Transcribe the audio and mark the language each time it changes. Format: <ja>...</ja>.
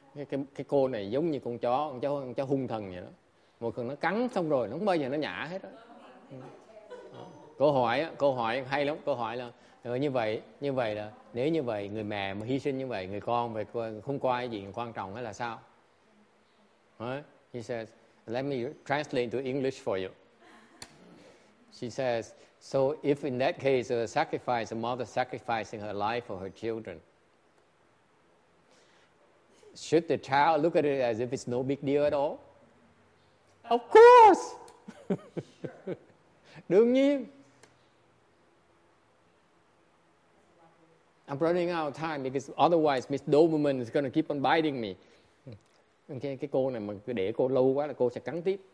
<vi>Cái cô này giống như con chó hung thần vậy đó. Một lần nó cắn xong rồi nó không bao giờ nó nhả hết đó. Câu hỏi hay lắm. Câu hỏi là như vậy là nếu như vậy người mẹ mà hy sinh như vậy, người con về không coi gì quan trọng hay là sao?</vi> <en>He says, let me translate to English for you. She says, so if in that case a sacrifice, a mother sacrificing her life for her children, should the child look at it as if it's no big deal at all? Of course!</en> <vi>Đương nhiên.</vi> <en>I'm running out of time because otherwise Miss Doberman is going to keep on biting me.</en> <vi>Okay, cái cô này mà cứ để cô lâu quá là cô sẽ cắn tiếp.</vi>